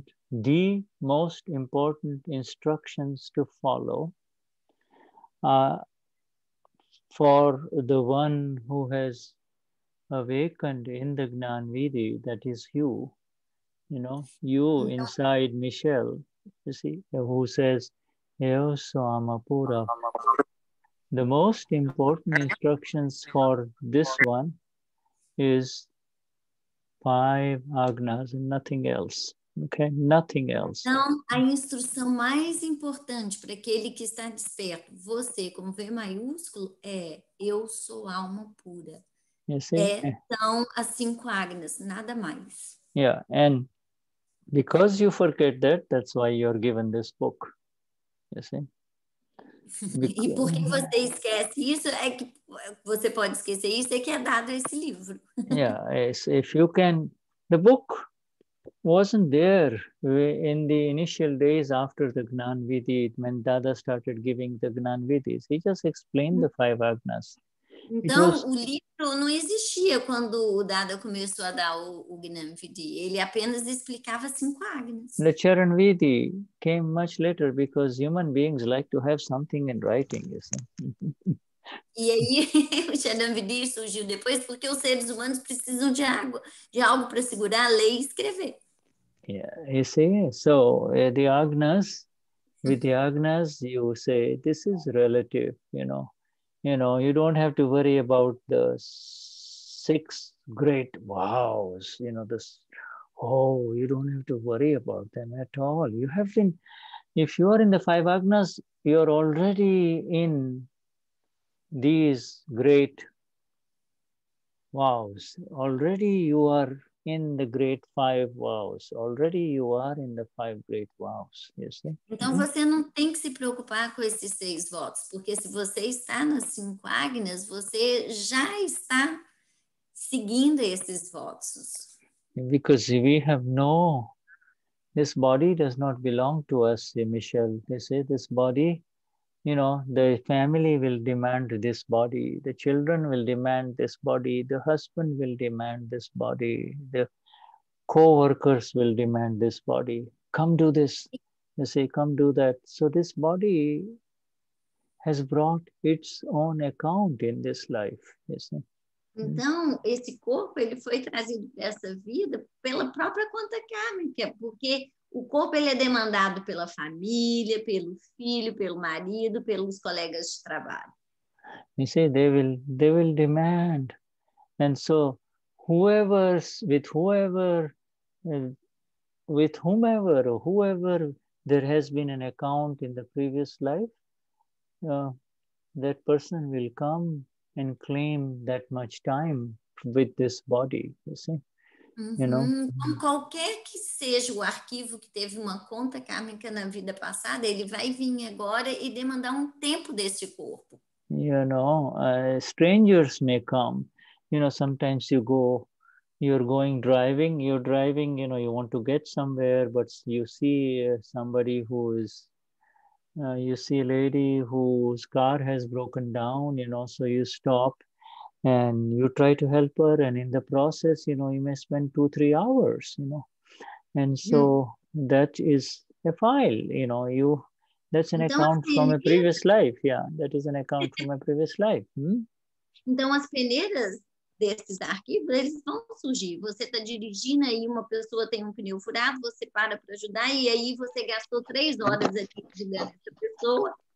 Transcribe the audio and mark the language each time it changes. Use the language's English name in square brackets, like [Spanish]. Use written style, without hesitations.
[English] the most important instructions to follow for the one who has awakened in the Gnan Vidhi, that is you inside Michelle, you see, who says, Eo Swamapura. The most important instructions for this one is 5 agnas and nothing else. Okay, nothing else. [Portuguese] Então, a instrução mais importante para aquele que está desperto, você, com V maiúsculo, é Eu sou alma pura. São as 5 agnas, nada mais. [English] Yeah, and because you forget that, that's why you're given this book. You see? Because... [Portuguese] E porque você esquece isso, é que você pode esquecer isso, é que é dado esse livro. [English] Yeah, if you can... The book wasn't there in the initial days after the Gnan Vidhi, when Dada started giving the Gnan Vidhis. He just explained the 5 agnas. [Portuguese] Então, o livro não existia quando o Dada começou a dar o Gnan Vidhi. Ele apenas explicava 5 agnas. [English] The Charan Vidhi came much later because human beings like to have something in writing, you see. [Portuguese] E aí, o Charan Vidhi surgiu depois porque os seres humanos precisam de água, de algo para segurar, ler e escrever. [English] Yeah, you see? So, the agnas, with the agnas, you say, this is relative, you know. You know, you don't have to worry about the 6 great wows, you know, this, oh, you don't have to worry about them at all. You have been, if you are in the 5 agnas, you're already in these great wows. Already you are in the great 5 vows. Already you are in the 5 great vows. You see? [Portuguese] Então você não tem que se preocupar com esses 6 votos, porque se você está nas 5 agnas, você já está seguindo esses votos. [English] Because we have no... This body does not belong to us, Michelle. They say this body, you know, the family will demand this body, the children will demand this body, the husband will demand this body, the co-workers will demand this body. Come do this, they say, come do that. So this body has brought its own account in this life, you see. [Portuguese] Então, esse corpo, ele foi trazido para essa vida pela própria conta kármica, porque o corpo, ele é demandado pela família, pelo filho, pelo marido, pelos colegas de trabalho. [English] You see, they will demand. And so, whoever there has been an account in the previous life, that person will come and claim that much time with this body, you see. You know? [Portuguese] Então, qualquer que seja o arquivo que teve uma conta kármica na vida passada, ele vai vir agora e demandar um tempo desse corpo. [English] You know, strangers may come. You know, sometimes you go, you're going driving, you're driving, you know, you want to get somewhere, but you see somebody who is, you see a lady whose car has broken down, you know, so you stop. And you try to help her, and in the process, you know, you may spend 2-3 hours, you know. And so that is a file, you know, that's an account from a previous life. Yeah, that is an account from a previous life. [Portuguese] Então, as peneiras desses arquivos, eles vão surgir. Você está dirigindo aí, uma pessoa tem pneu furado, você para ajudar, e aí você gastou 3 horas aqui ajudando essa pessoa.